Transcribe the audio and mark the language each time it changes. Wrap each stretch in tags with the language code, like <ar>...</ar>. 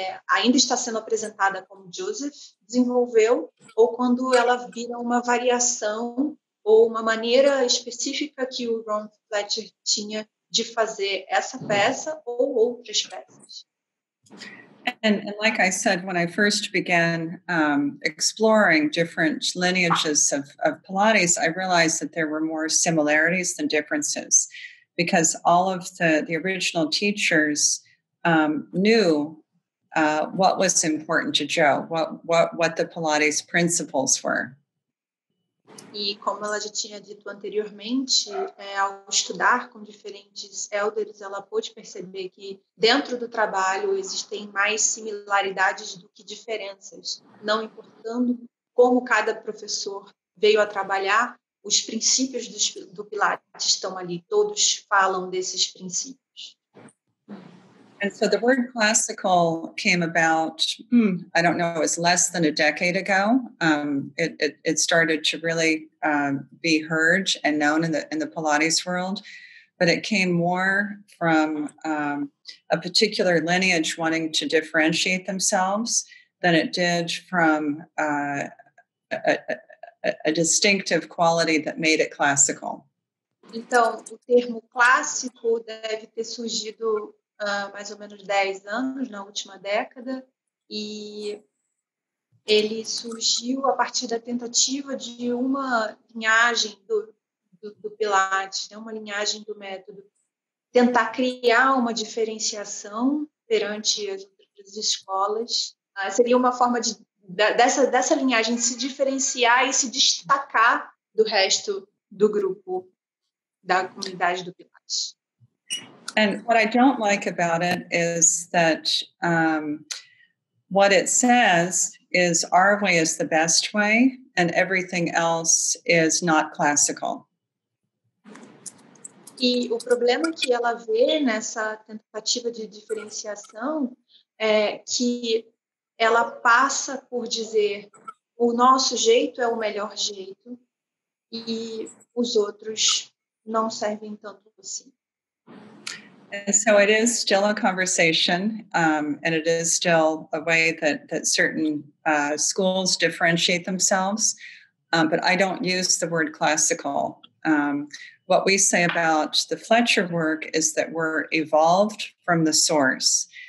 <pt>ainda está sendo apresentada como Joseph desenvolveu, ou quando ela vira uma variação ou uma maneira específica que o Ron Fletcher tinha de fazer essa peça ou outras peças.</pt> <en>And like I said, when I first began exploring different lineages of Pilates, I realized that there were more similarities than differences, because all of the original teachers knew what was important to Joe, what the Pilates principles were.</en> <pt>E como ela já tinha dito anteriormente, ao estudar com diferentes elders, ela pôde perceber que dentro do trabalho existem mais similaridades do que diferenças. Não importando como cada professor veio a trabalhar, os princípios do Pilates estão ali, todos falam desses princípios.</pt> <en>And so the word classical came about, I don't know, it was less than a decade ago. It started to really be heard and known in the Pilates world, but it came more from a particular lineage wanting to differentiate themselves than it did from a distinctive quality that made it classical.</en> <pt>Então, o termo clássico deve ter surgido mais ou menos 10 anos, na última década, e ele surgiu a partir da tentativa de uma linhagem do Pilates, né? Uma linhagem do método, tentar criar uma diferenciação perante as outras escolas. Seria uma forma dessa linhagem se diferenciar e se destacar do resto do grupo, da comunidade do Pilates.</pt> <en>And what I don't like about it is that what it says is our way is the best way and everything else is not classical.</en> <pt>E o problema que ela vê nessa tentativa de diferenciação é que ela passa por dizer o nosso jeito é o melhor jeito e os outros não servem tanto assim.</pt> <en>So it is still a conversation, and it is still a way that certain schools differentiate themselves, but I don't use the word classical. What we say about the Fletcher work is that we're evolved from the source.</en>